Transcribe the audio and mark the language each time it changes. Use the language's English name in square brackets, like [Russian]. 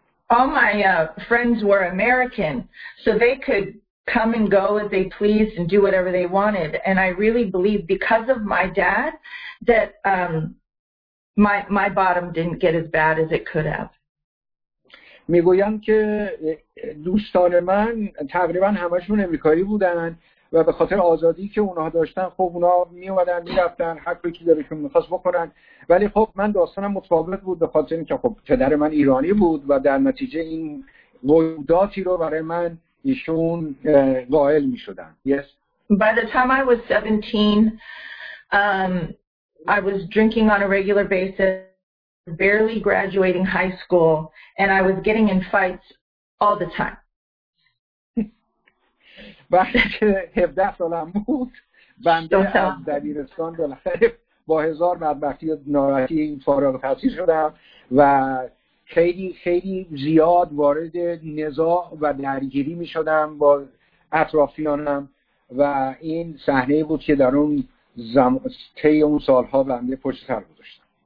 [English] All my friends were American, so they could come and go as they pleased and do whatever they wanted. And I really believe because of my dad that my bottom didn't get as bad as it could have. [Persian] میگویم که دوستان من تقریبا همشون امریکایی بودن و به خاطر آزادی که اونها داشتن، خب اونها میومدن میرفتن هر کاری که دلشون میخواست بکنن، ولی خب من داستانم متفاوت بود به خاطر اینکه خب پدر من ایرانی بود و در نتیجه این قیوداتی رو برای من ایشون قائل میشدن. [English] Yes. By the time I was 17 I was drinking on a regular basis, barely graduating high school, and I was getting in fights all the time. [Persian] وقتی که 17 سالم بود، بنده از دبیرستان با هزار بدبختی و ناراحتی فارغ التحصیل شدم و خیلی خیلی زیاد وارد نزاع و درگیری می شدم با اطرافیانم و این صحنه بود که در اون اون سالها بنده پشت سر گذاشتم.